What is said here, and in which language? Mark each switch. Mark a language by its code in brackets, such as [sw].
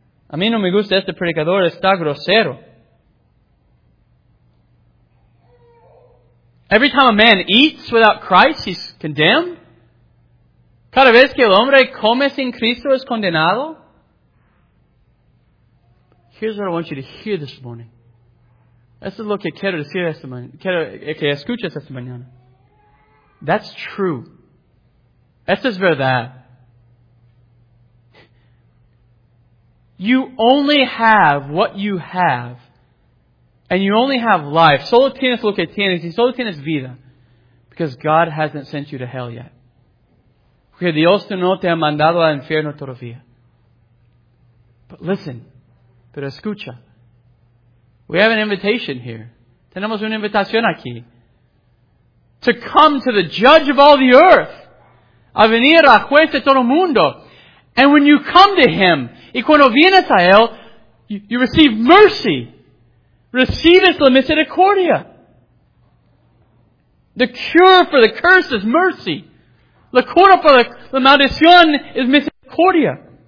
[es] A mí no me gusta este predicador. Está grosero. [en] Every time a man eats without Christ, he's condemned. [es] Cada vez que el hombre come sin Cristo es condenado. [en] Here's what I want you to hear this morning. [es] Esto es lo que quiero decir esta mañana. Quiero que escuches esta mañana. [en] That's true. [es] Esto es verdad. [en] You only have what you have. And you only have life. [es] Solo tienes lo que tienes. Y solo tienes vida. [en] Because God hasn't sent you to hell yet. [es] Porque Dios no te ha mandado al infierno todavía. [en] But listen. [es] Pero escucha. [en] We have an invitation here. [es] Tenemos una invitación aquí. [en] To come to the judge of all the earth. [es] A venir a juez de todo el mundo. [en] And when you come to Him, [es] y cuando vienes a Él, [en] you receive mercy. [es] Recibes la misericordia. [en] The cure for the curse is mercy. [es] La cura para la maldición es misericordia.